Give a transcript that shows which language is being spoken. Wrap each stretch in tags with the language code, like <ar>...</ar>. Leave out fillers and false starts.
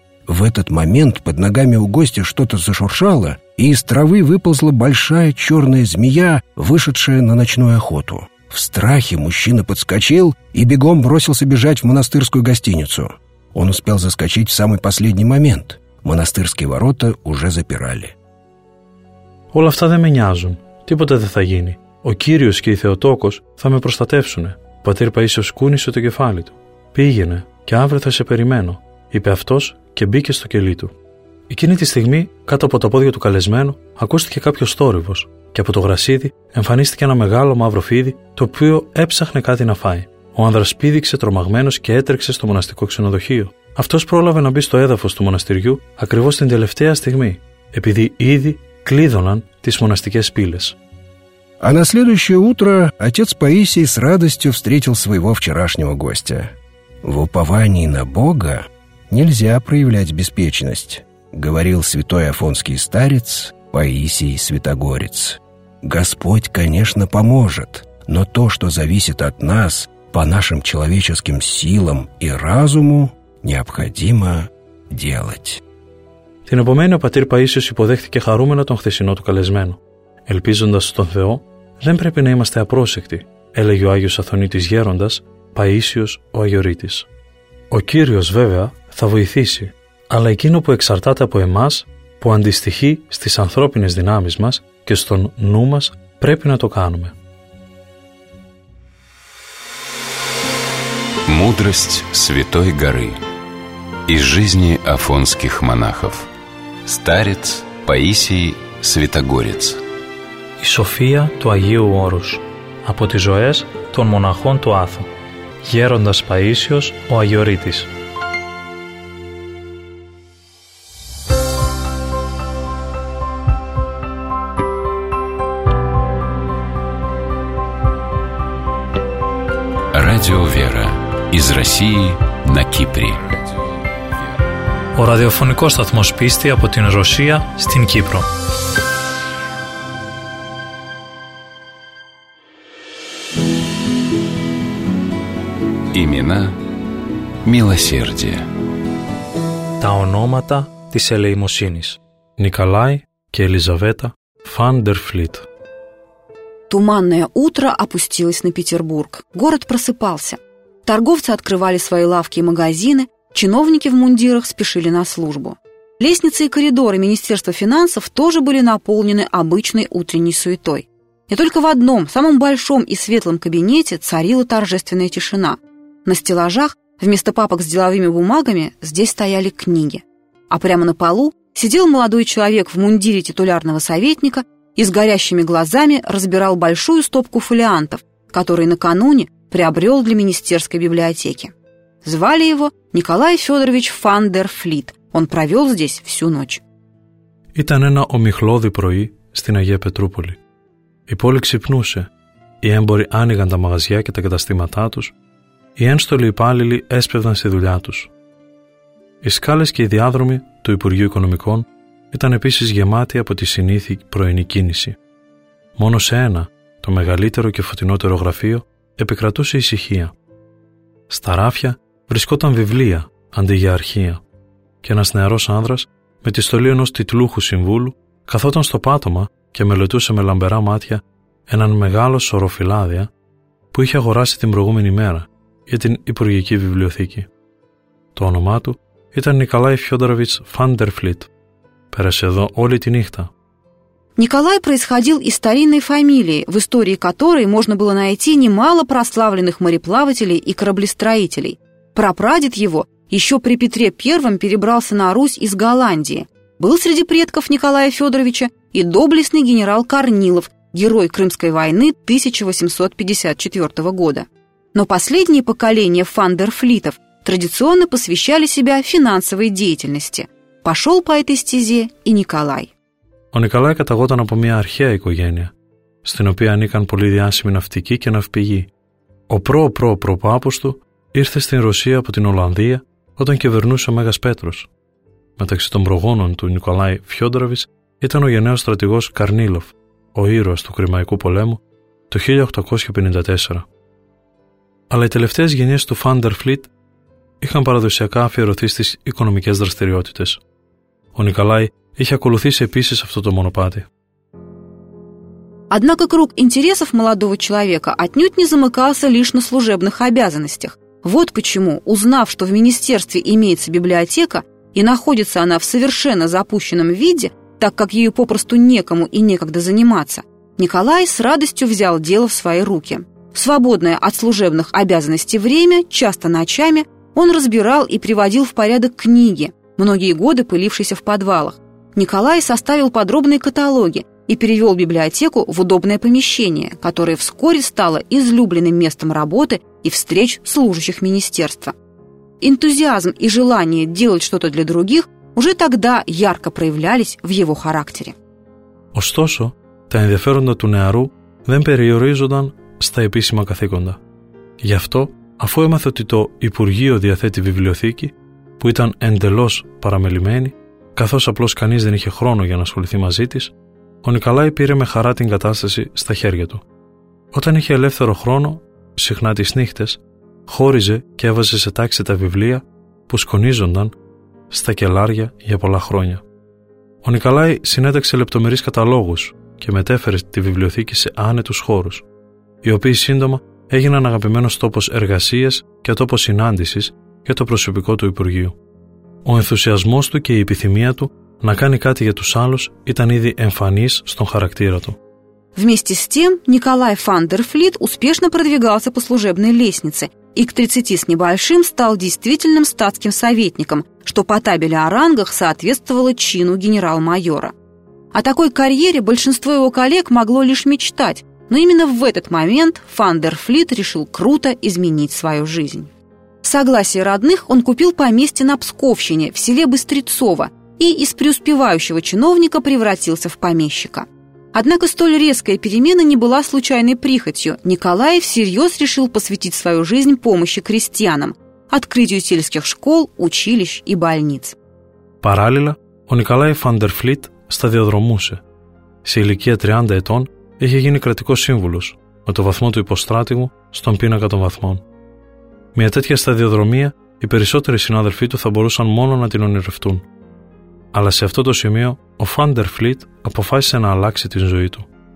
<ru>В этот момент под ногами у гостя что-то зашуршало, и из травы выползла большая черная змея, вышедшая на ночную охоту. В страхе мужчина подскочил и бегом бросился бежать в монастырскую гостиницу. Он успел заскочить в самый последний момент. Монастырские ворота уже запирали.</ru> <el>«Όλα αυτά δεν με νοιάζουν. Τίποτα δεν θα γίνει. Ο Κύριος και η Θεοτόκος θα με προστατεύσουνε». Ο πατήρ Παΐσιος κούνησε το κεφάλι του. «Πήγαινε και αύριο θα σε περιμένω», είπε αυτός και μπήκε στο κελί του. Εκείνη τη στιγμή, κάτω από τα πόδια του καλεσμένου, ακούστηκε κάποιος θόρυβος. και από το γρασίδι εμφανίστηκε ένα μεγάλο μαύρο φίδι, το οποίο έψαχνε κάτι να φάει. Ο άνδρας πήδηξε τρομαγμένος και έτρεξε στο μοναστικό ξενοδοχείο. Αυτός πρόλαβε να μπει στο έδαφος του μοναστηριού ακριβώς την τελευταία στιγμή, επειδή ήδη κλείδωναν τις μοναστικές πύλες.</el> <ru>А на следующее утро отец Паисий с радостью встретил своего вчерашнего гостя. «В уповании на Бога нельзя проявлять беспечность», — говорил святой афонский старец Паисий Святогорец. «Господь, конечно, поможет, но то, что зависит от нас, по нашим человеческим силам и разуму, необходимо делать».</ru> <el>Την επομένη ο πατήρ Παΐσιος υποδέχθηκε χαρούμενο τον χθεσινό του καλεσμένο. Ελπίζοντας στον Θεό, δεν πρέπει να είμαστε απρόσεκτοι, έλεγε ο Άγιος Αθωνίτης Γέροντας, Παΐσιος ο Αγιορείτης. Ο Κύριος βέβαια θα βοηθήσει, αλλά εκείνο που εξαρτάται από εμάς, που αντιστοιχεί στις ανθρώπινες δυνάμεις μας και στον νου μας, πρέπει να το κάνουμε.</el> <ru>Мудрость Святой Горы из жизни афонских монахов. Старец Паисий Святогорец.</ru> <el>Η σοφία του Αγίου Όρους από τις ζωές των μοναχών του Άθου. Γέροντας Παΐσιος ο Αγιορείτης.</el> <ru>Radio Vera из России на Кипре.</ru> <el>Ο ραδιοφωνικός σταθμός πίστη από την Ρωσία στην Κύπρο.</el> <ru>Имена милосердия.</ru> <el>Τα ονόματα της ελεημοσύνης.</el> <ru>Николай και Елизавета Ван дер Флит. Туманное утро опустилось на Петербург. Город просыпался. Торговцы открывали свои лавки и магазины, чиновники в мундирах спешили на службу. Лестницы и коридоры Министерства финансов тоже были наполнены обычной утренней суетой. И только в одном, самом большом и светлом кабинете царила торжественная тишина. На стеллажах вместо папок с деловыми бумагами здесь стояли книги. А прямо на полу сидел молодой человек в мундире титулярного советника и с горящими глазами разбирал большую стопку фолиантов, которые накануне приобрел для министерской библиотеки. Звали его Николай Федорович Ван дер Флит. Он провел здесь всю ночь.</ru> <el>Ήταν ένα ομιχλώδη πρωί στην Αγία Πετρούπολη. Η πόλη ξυπνούσε. Οι έμποροι άνοιγαν τα μαγαζιά και τα καταστήματά τους. Οι ένστολοι υπάλληλοι έσπευδαν στη δουλειά τους. Οι σκάλες και οι διάδρομοι του Υπουργείου Οικονομικών ήταν επίσης γεμάτοι από τη συνήθη πρωινή κίνηση. Μόνο σε ένα, το μεγαλύτερο και φωτεινότερο γραφείο, επικρατούσε ησυχία. Στα ράφια βρισκόταν βιβλία αντί για αρχεία και ένας νεαρός άνδρας με τη στολή ενός τιτλούχου συμβούλου καθόταν στο πάτωμα και μελετούσε με λαμπερά μάτια έναν μεγάλο σωρό φυλάδια που είχε αγοράσει την προηγούμενη μέρα για την Υπουργική Βιβλιοθήκη. Το όνομά του ήταν Νικολάι Φιόντοροβιτς Ван дер Флит. Πέρασε εδώ όλη τη νύχτα.</el> <ru>Николай происходил из старинной фамилии, в истории которой можно было найти немало прославленных мореплавателей и кораблестроителей. Прапрадед его еще при Петре I перебрался на Русь из Голландии. Был среди предков Николая Федоровича и доблестный генерал Корнилов, герой Крымской войны 1854 года. Но последние поколения Ван дер Флитов традиционно посвящали себя финансовой деятельности. Пошел по этой стезе и Николай.</ru> <el>Ο Νικολάι καταγόταν από μια αρχαία οικογένεια, στην οποία ανήκαν πολύ διάσημοι ναυτικοί και ναυπηγοί. Ο προ-προ-προπάπος του ήρθε στην Ρωσία από την Ολλανδία όταν κυβερνούσε ο Μέγας Πέτρος. Μεταξύ των προγόνων του Νικολάι Φιόντοροβιτς ήταν ο γενναίος στρατηγός Καρνίλοφ, ο ήρωας του Κρυμαϊκού πολέμου, το 1854. Αλλά οι τελευταίες γενιές του Ван дер Флит είχαν παραδοσιακά αφιερωθεί στις οικονομικές δραστηριότητες. Ο Νικολάι είχε ακολουθήσει επίσης αυτό το μονοπάτι.</el> <ru>Однако круг интересов молодого человека отнюдь не замыкался лишь на служебных обязанностях. Вот почему, узнав, что в министерстве имеется библиотека и находится она в совершенно запущенном виде, так как ею попросту некому и некогда заниматься, Николай с радостью взял дело в свои руки. В свободное от служебных обязанностей время, часто ночами, он разбирал и приводил в порядок книги, многие годы пылившиеся в подвалах. Николай составил подробные каталоги и перевел библиотеку в удобное помещение, которое вскоре стало излюбленным местом работы и встреч служащих министерства. Энтузиазм и желание делать что-то для других уже тогда ярко проявлялись в его характере.</ru> <el>Ωστόσο, τα ενδιαφέροντα του νεαρού δεν περιορίζονταν στα επίσημα καθήκοντα. Γι' αυτό, αφού έμαθε ότι το Υπουργείο διαθέτει βιβλιοθήκη, που ήταν εντελώς παραμελημένη, καθώς απλώς κανείς δεν είχε χρόνο για να ασχοληθεί μαζί της, ο Νικολάη πήρε με χαρά την κατάσταση στα χέρια του. Όταν είχε ελεύθερο χρόνο, συχνά τις νύχτες, χώριζε και έβαζε σε τάξη τα βιβλία που σκονίζονταν στα κελάρια για πολλά χρόνια. Ο Νικολάη συνέταξε λεπτομερείς καταλόγους και μετέφερε τη βιβλιοθήκη σε άνετους χώρους, οι οποίοι σύντομα έγιναν αγαπημένος τόπος εργασίας και τόπος συνάντησης για το προσωπικό του Υπουργείου. Ο ενθουσιασμός του και η επιθυμία του να κάνει κάτι για τους άλλους ήταν ήδη εμφανής στον χαρακτήρα του.</el> <ru>Вместе с тем, Николай Ван дер Флит успешно продвигался по служебной лестнице и к 30 с небольшим стал действительным статским советником, что по табеле о рангах соответствовало чину генерал-майора. О такой карьере большинство его коллег могло лишь мечтать, но именно в этот момент Ван дер Флит решил круто изменить свою жизнь. С согласия родных он купил поместье на Псковщине, в селе Быстрецово, и из преуспевающего чиновника превратился в помещика. Однако столь резкая перемена не была случайной прихотью. Николай всерьез решил посвятить свою жизнь помощи крестьянам, открытию сельских школ, училищ и больниц. Параллельно, у Николая Ван дер Флит сталиодромусе.</ru> <el>Се иликия 30 этон, είχε γίνει κρατικός σύμβουλος, με το βαθμό του υποστράτηγου στον πίνακα των βαθμών. Μια τέτοια σταδιοδρομία, οι περισσότεροι συνάδελφοί του θα μπορούσαν μόνο να την ονειρευτούν. Αλλά σε αυτό το σημείο, ο Ван дер Флит αποφάσισε να αλλάξει την ζωή του.</el>